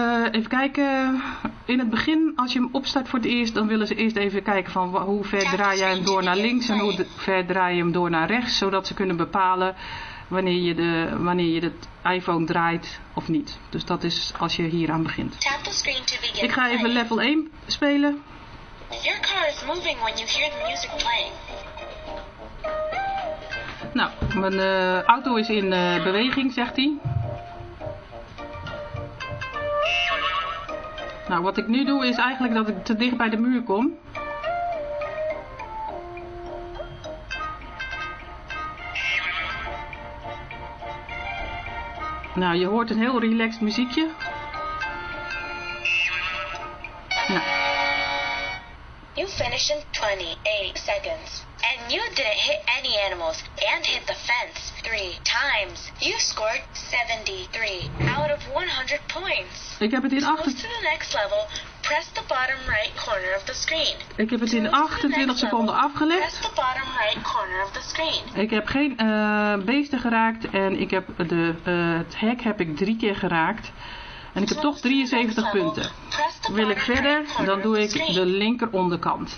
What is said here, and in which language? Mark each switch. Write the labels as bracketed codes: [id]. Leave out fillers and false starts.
[nl] Even kijken. In het begin, als je hem opstart voor het eerst, dan willen ze eerst even kijken van hoe ver draai jij hem door naar links en hoe ver draai je hem door naar rechts, zodat ze kunnen bepalen wanneer je het iPhone draait of niet. Dus dat is als je hier aan begint. Ik ga even level 1 spelen. [en] Your car is moving when you hear the music playing. [nl] Nou, mijn auto is in beweging, zegt hij. Nou, wat ik nu doe is eigenlijk dat ik te dicht bij de muur kom. Nou, je hoort een heel relaxed muziekje. Ja. [en] You finished in 28 seconds. And you didn't hit any animals and hit the fence 3 times. You scored 73 out of 100 points. [nl] Ik heb het in 28. [en] To the next level, press the bottom right corner of the screen. [nl] Ik heb het in 28 seconden afgelegd. [en] Press the bottom right corner of the screen. [nl] Ik heb geen beesten geraakt en ik heb het hek heb ik 3 keer geraakt. En ik heb toch 73 punten. Wil ik verder, dan doe ik de linker onderkant.